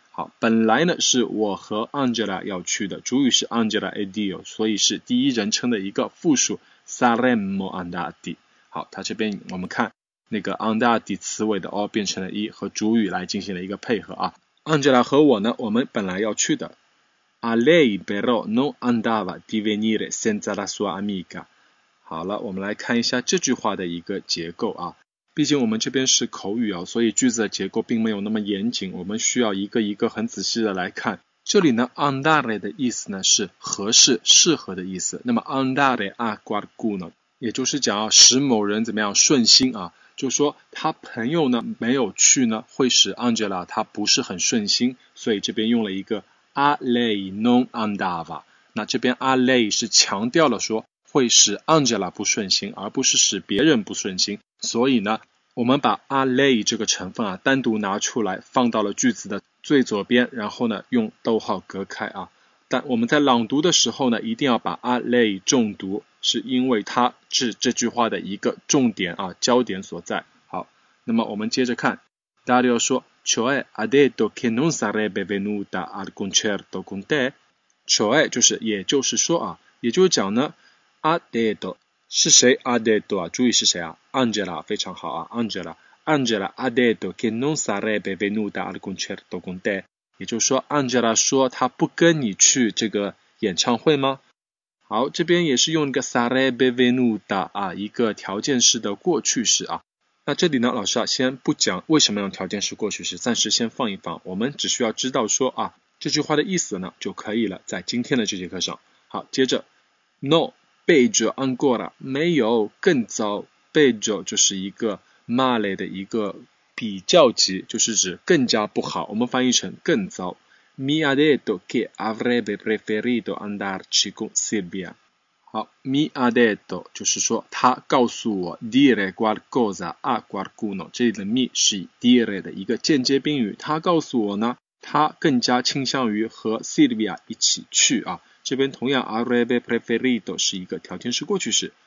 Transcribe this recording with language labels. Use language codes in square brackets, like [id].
[zh] 好，本来呢是我和 Angela 要去的，主语是 [it] Angela ed io， [zh] 所以是第一人称的一个复数 [it] saremmo andati。 [zh] 好，它这边我们看那个 andati 词尾的 o 变成了 和主语来进行了一个配合啊。 Angela 和我呢，我们本来要去的。 [it] A lei però non andava di venire senza la sua amica。 [zh] 好了，我们来看一下这句话的一个结构啊，毕竟我们这边是口语啊，所以句子的结构并没有那么严谨，我们需要一个一个很仔细的来看。这里呢 andare 的意思呢是合适适合的意思，那么 [it] andare a qualcuno [zh] 也就是讲、啊、使某人怎么样顺心啊，就说他朋友呢没有去呢会使 Angela 他不是很顺心，所以这边用了一个 [it] a lei non andava。 [zh] 那这边 a lei 是强调了说会使 Angela 不顺心，而不是使别人不顺心。所以呢，我们把 a lei 这个成分啊单独拿出来，放到了句子的最左边，然后呢用逗号隔开啊。但我们在朗读的时候呢，一定要把 a lei 重读，是因为它是这句话的一个重点啊，焦点所在。好，那么我们接着看 ，Dario 说 ， [it] cioè ha detto che non sarebbe venuta al concerto con te， [zh] cioè 就是也就是说啊，也就是讲呢。阿德多是谁？阿德多啊，注意是谁啊 ？Angela， 非常好啊 ，Angela， 阿德多 [it] che non sarebbe venuta al concerto con te， [zh] 也就是说 ，Angela 说他不跟你去这个演唱会吗？好，这边也是用一个 [it] sarebbe venuta [zh] 啊，一个条件式的过去式啊。那这里呢，老师啊，先不讲为什么用条件式过去式，暂时先放一放，我们只需要知道说啊，这句话的意思呢就可以了，在今天的这节课上。好，接着 ，no。 [it] Peggio ancora， [zh] 没有，更糟。Peggio 就是一个 male 的一个比较级，就是指更加不好，我们翻译成更糟。 [it] Mi ha detto che avrebbe preferito andarci con Silvia。 [zh] 好， [it] Mi ha detto [zh] 就是说他告诉我 [it] dire qualcosa a qualcuno， [zh] 这里的 mi 是 dire 的一个间接宾语，他告诉我呢他更加倾向于和 Silvia 一起去啊。这边同样 [it] avrebbe preferito [zh] 是一个条件式过去式。